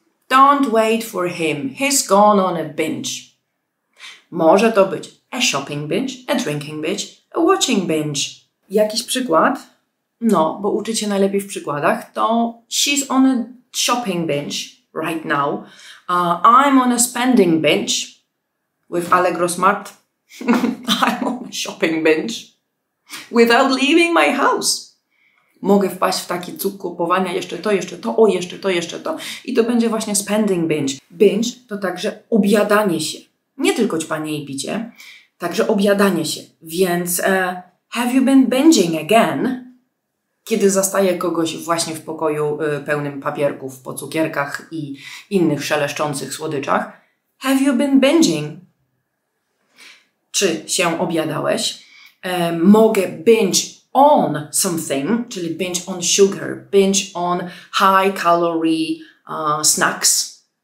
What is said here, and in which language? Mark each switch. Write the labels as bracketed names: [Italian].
[English] Don't wait for him. He's gone on a binge. [Polish] Może to być [English] a shopping binge, a drinking binge, a watching binge. [Polish] Jakiś przykład? No, bo uczyć się najlepiej w przykładach, to [English] she's on a shopping binge right now. I'm on a spending binge with Allegro Smart. I'm on a shopping binge without leaving my house. [Polish] Mogę wpaść w taki cuk kupowania jeszcze to, o jeszcze to, jeszcze to. I to będzie właśnie [English] spending binge. [Polish] Binge to także objadanie się. Nie tylko ćpanie i picie, także objadanie się. [English] Więc have you been binging again? [Polish] Kiedy zastaję kogoś właśnie w pokoju pełnym papierków po cukierkach i innych szeleszczących słodyczach. [English] Have you been binging? [Polish] Czy się objadałeś? [English] Mogę binge on something, czyli binge on sugar, binge on high calorie snacks.